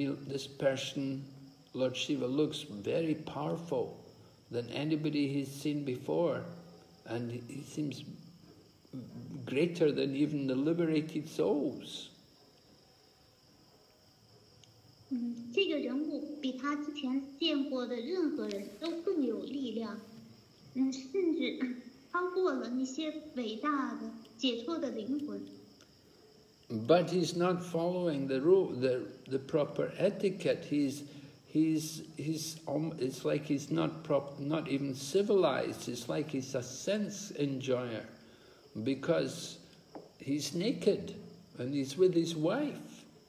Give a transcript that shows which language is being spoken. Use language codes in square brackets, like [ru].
[en] This person, Lord Shiva, looks very powerful than anybody he's seen before, and he seems greater than even the liberated souls. [zh] 这个人物比他之前见过的任何人都更有力量，甚至超过了那些伟大的解脱的灵魂。 [en] But he's not following the rule, the proper etiquette. It's like he's not even civilized. It's like he's a sense enjoyer, because he's naked and he's with his wife.